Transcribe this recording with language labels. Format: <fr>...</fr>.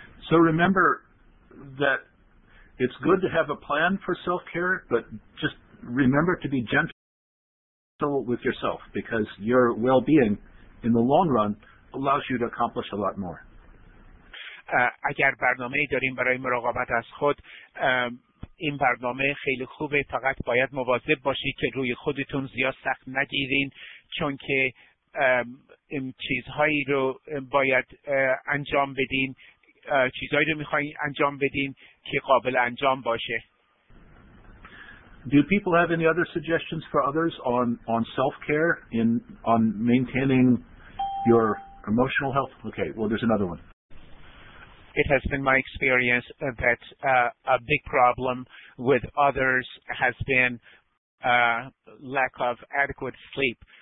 <en>So remember that it's good to have a plan for self-care, but just remember to be gentle with yourself, because your well-being in the long run allows you to accomplish a lot more.</en> <fa>اگر برنامه‌ای داریم برای مراقبت از خود، این برنامه خیلی خوبه، فقط باید مواظب باشی که روی خودتون زیاد سخت نگیرین، چون که این چیزهایی رو باید انجام بدین، چیزهایی رو می‌خواید انجام بدین که قابل انجام باشه.</fa> <en>Do people have any other suggestions for others on self-care, in on maintaining your emotional health? Okay, well, there's another one. It has been my experience that a big problem with others has been lack of adequate sleep.</en>